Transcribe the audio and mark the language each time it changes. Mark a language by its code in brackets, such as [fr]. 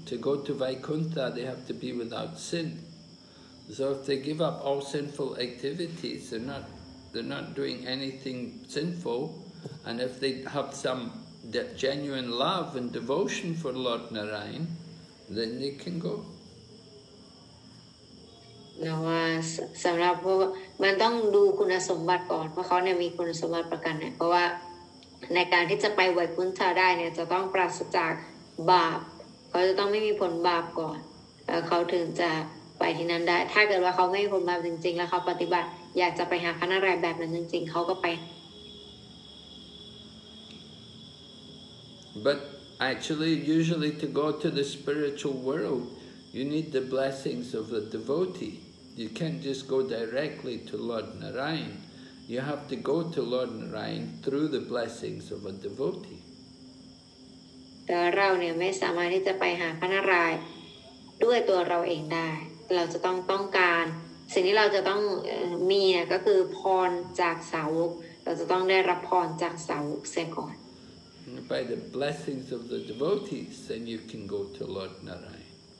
[en] To go to Vaikuntha, they have to be without sin. So if they give up all sinful activities, they're not doing anything sinful. And if they have some genuine love and devotion for Lord Narayan, then they can go. [th] No, สำหรับมันต้องดูคุณสมบัติก่อนว่าเขาเนี่ยมีคุณสมบัติประการไหนเพราะว่าในการที่จะไปไหว้คุณเธอได้เนี่ยจะต้องปราศจากบาปเขาจะต้องไม่มีผลบาปก่อนเขาถึงจะไปที่นั้นได้ถ้าเกิดว่าเขาไม่มีผลบาปจริงๆแล้วเขาปฏิบัติอยากจะไปหาพระนารายณ์แบบนั้นจริงๆเขาก็ไป [en] But actually usually to go to the spiritual world you need the blessings of the devotee you can't just go directly to Lord Narayan you have to go to Lord Narayan through the blessings of a devotee [th] แต่เราเนี่ยไม่สามารถที่จะไปหาพระนารายณ์ด้วยตัวเราเองได้เราจะต้องการสิ่งที่เราจะต้องมีก็คือพรจากสาวกเราจะต้องได้รับพรจากสาวกเสียก่อน [en] by the blessings of the devotees then you can go to Lord Narayan